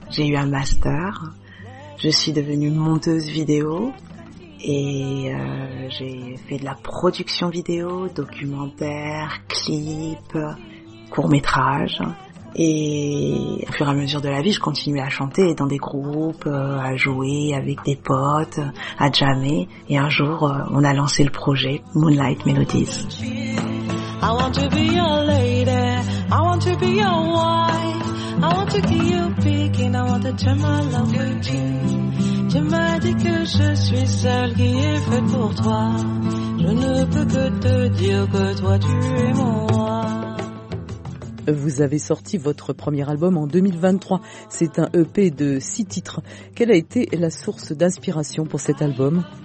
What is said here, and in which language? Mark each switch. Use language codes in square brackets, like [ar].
[fr] J'ai eu un master. Je suis devenue monteuse vidéo et j'ai fait de la production vidéo, documentaire, clip, court-métrage. Et au fur et à mesure de la vie, je continuais à chanter dans des groupes, à jouer avec des potes, à jammer. Et un jour, on a lancé le projet Moonlight Melodies. [en] I want to be your lady, I want to be your wife, I want to keep you big and I want to turn my love with you. [fr] Tu m'as dit que je suis celle qui est faite pour toi, je ne peux que te dire que toi tu es mon roi. Vous avez sorti votre premier album en 2023. C'est un EP de 6 titres. Quelle a été la source d'inspiration pour cet album?